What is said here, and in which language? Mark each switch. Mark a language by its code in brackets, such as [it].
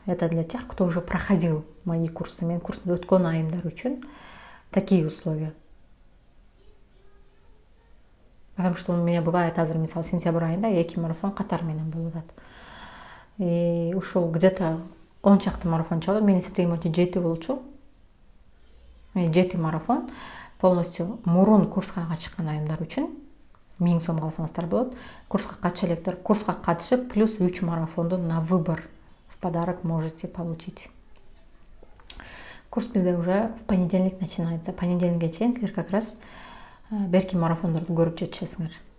[ru] Это для тех, кто уже проходил мои курсы. [ky] Мен курсун өткөн айымдар үчүн [ru] такие условия. Потому что у меня бывает [ky] азыр, мисалы, сентябрь айында 2 марафон катар менен болот. И ушул где-то 10 чакты марафон чыгат. Мен эсептейм боюнча 7 болчу. 7 марафон. Полностью мурун курска катышкан айымдар үчүн 1000 сом алсаңыздар болот. Курска катыша электер, курска катышып плюс 3 марафонду [ru] на выбор в подарок можете получить. Курс бизде уже в понедельник начинается. [ky] Понедельникке чейин силер [ru] как раз [ky] Берки марафон город Чечеснер.